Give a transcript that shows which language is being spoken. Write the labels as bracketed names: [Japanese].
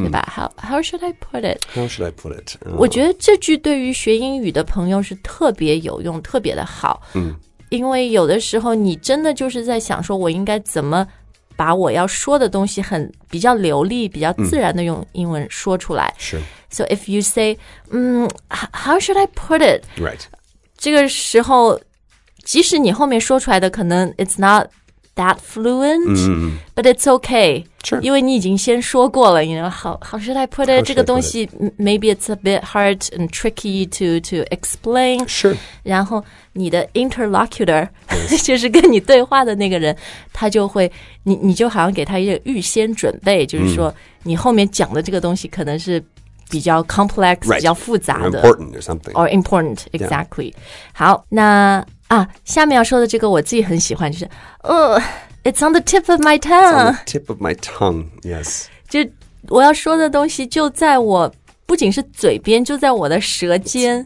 [Chinese] 对吧 [English] how should I put it? How should I put it?、 [Chinese] 我觉得这句对于学英语的朋友是特别有用特别的好。因为有的时候你真的就是在想说我应该怎么把我要说的东西很比较流利比较自然的用英文说出来。是。 [English] So if you say, how should I put it? Right. [Chinese] 这个时候即使你后面说出来的可能 [English] it's not that fluent,、but it's okay. Sure. [Chinese] 因为你已经先说过了 [English] you know, how should I put it? [Chinese] 这个东西 [English] maybe it's a bit hard and tricky to explain. Sure. [Chinese] 然后你的 interlocutor、 [English] yes. [Chinese] 就是跟你对话的那个人他就会 你就好像给他一个预先准备就是说你后面讲的这个东西可能是比较 complex、 [English] right. [Chinese] 比较复杂的 [English] or important or something or important exactly、yeah. [Chinese] 好那啊下面要说的这个我自己很喜欢就是 [English] it's on the tip of my tongue it's on the tip of my tongue yes [Chinese] 就我要说的东西就在我不仅是嘴边就在我的舌尖